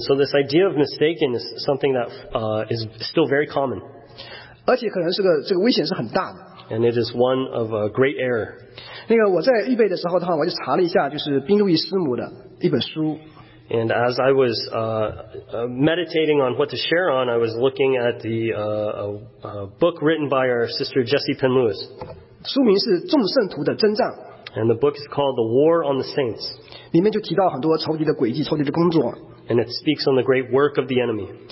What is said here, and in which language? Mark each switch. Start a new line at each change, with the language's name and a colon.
English: so this idea of mistaken is something that is still very common.
Chinese: 而且可能这个危险是很大的。
English: And it is one of a great error.
Chinese: 那个我在预备的时候的话，我就查了一下，就是宾路易师母的一本书。
English: And as I was meditating on what to share on, I was looking at the book written by our sister Jessie Penn Lewis.
Chinese: 书名是《众圣徒的征战》。
English: And the book is called The War on the Saints.
Chinese: 里面就提到很多仇敌的诡计，仇敌的工作。
English: And it speaks on the great work of the enemy.